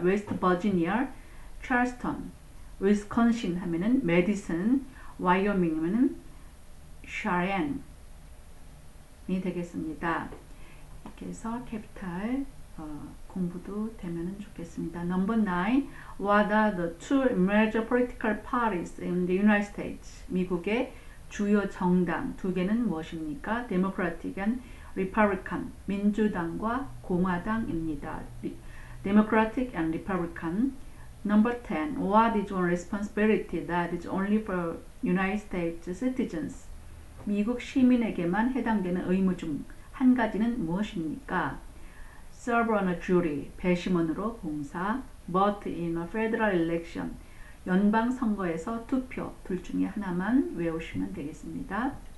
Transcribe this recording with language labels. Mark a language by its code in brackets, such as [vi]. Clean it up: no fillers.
[ko] 웨스트 버지니아, 찰스턴, 위스콘신 하면은 매디슨, 와이오밍은 샤렌이 되겠습니다. 이렇게 해서 캐피탈 공부도 되면 좋겠습니다. [en] Number 9. What are the two major political parties in the United States? [ko] 미국의 주요 정당 두 개는 무엇입니까? [en] Democratic and Republican. [ko] 민주당과 공화당입니다. [en] Democratic and Republican. Number 10. What is your responsibility that is only for United States citizens? [ko] 미국 시민에게만 해당되는 의무 중 한 가지는 무엇입니까? [en] Serve on a jury, [ko] 배심원으로 봉사. [en] Vote in a federal election, [ko] 연방선거에서 투표. 둘 중에 하나만 외우시면 되겠습니다.